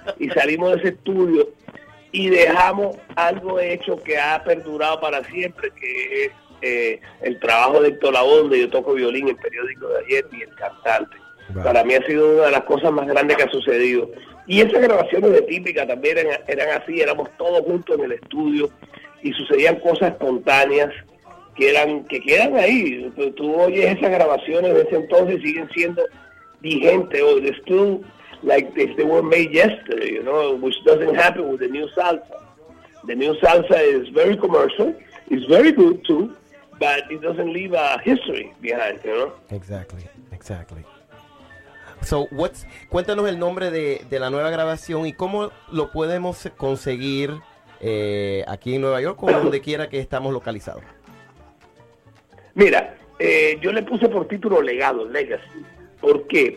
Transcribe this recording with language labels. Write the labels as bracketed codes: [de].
[es] Y salimos de ese estudio y dejamos algo hecho que ha perdurado para siempre, que es el trabajo de Héctor Lavoe, donde yo toco violín, el periódico de ayer, y el cantante. Wow. Para mí ha sido una de las cosas más grandes que ha sucedido. Y esas grabaciones de Tipica también eran así, éramos todos juntos en el estudio y sucedían cosas espontáneas que quedan ahí. Tú oyes esas grabaciones de ese entonces y siguen siendo vigentes hoy. [en] They're still like they were made yesterday, you know, which doesn't happen with the new salsa. The new salsa is very commercial, it's very good too, but it doesn't leave a history behind, you know? Exactly, exactly. So, what's, [es] cuéntanos el nombre de la nueva grabación y cómo lo podemos conseguir aquí en Nueva York o donde quiera que estamos localizados. Mira, yo le puse por título Legado, Legacy. ¿Por qué?